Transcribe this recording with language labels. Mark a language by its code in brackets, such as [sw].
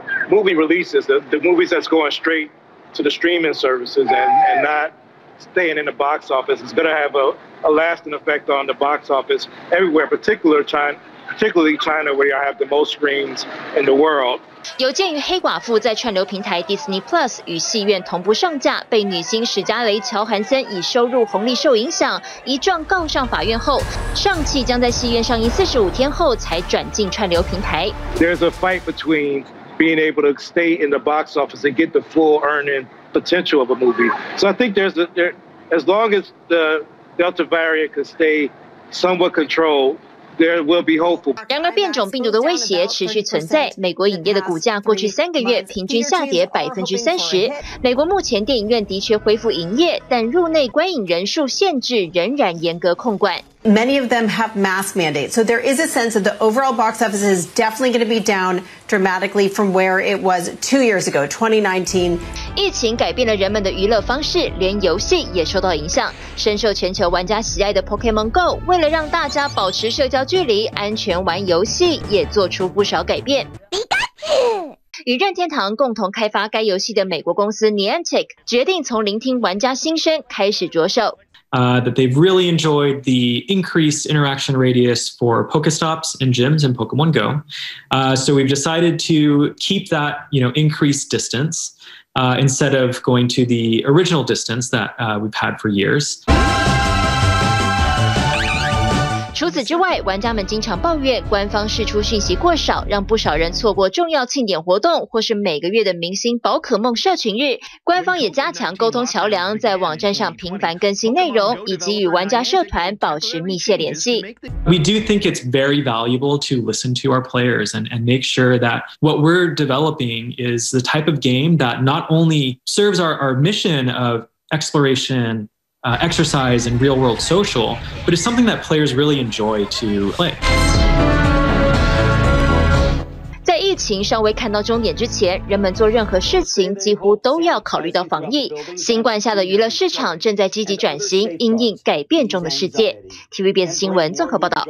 [en] Movie releases, the movies that's going straight to the streaming services and not staying in the box office is going to have a lasting effect on the box office everywhere, particularly China, where I have the most screens in the world. [zh] 有鉴于黑寡妇在串流平台 Disney Plus 与戏院同步上架，被女星史嘉蕾·乔韩森以收入红利受影响，一状告上法院后，上汽将在戏院上映45天后才转进串流平台。 [en] There's a fight between being able to stay in the box office and get the full earning potential of a movie. So I think as long as the Delta variant can stay somewhat controlled. There will be hopeful. [zh] 然而变种病毒的威胁持续存在，美国影业的股价过去3个月平均下跌30%。美国目前电影院的确恢复营业，但入内观影人数限制仍然严格控管。 [en] Many of them have mask mandates, so there is a sense that the overall box office is definitely going to be down dramatically from where it was 2 years ago, 2019. [zh] 疫情改变了人们的娱乐方式，连游戏也受到影响。深受全球玩家喜爱的 Pokemon Go, 为了让大家保持社交距离、安全玩游戏，也做出不少改变。与任天堂共同开发该游戏的美国公司 Niantic 决定从聆听玩家心声开始着手。 [en] That they've really enjoyed the increased interaction radius for Pokestops and gyms in Pokemon Go. So we've decided to keep that, you know, increased distance instead of going to the original distance that we've had for years. [zh] 除此之外，玩家们经常抱怨官方释出讯息过少，让不少人错过重要庆典活动或是每个月的明星宝可梦社群日。官方也加强沟通桥梁，在网站上频繁更新内容，以及与玩家社团保持密切联系。 [en] We do think it's very valuable to listen to our players and make sure that what we're developing is the type of game that not only serves our mission of exploration,exercise and real world social, but it's something that players really enjoy to play. [zh] 在疫情尚未看到终点之前，人们做任何事情几乎都要考虑到防疫。新冠下的娱乐市场正在积极转型，因应改变中的世界。TVBS 新闻综合报道。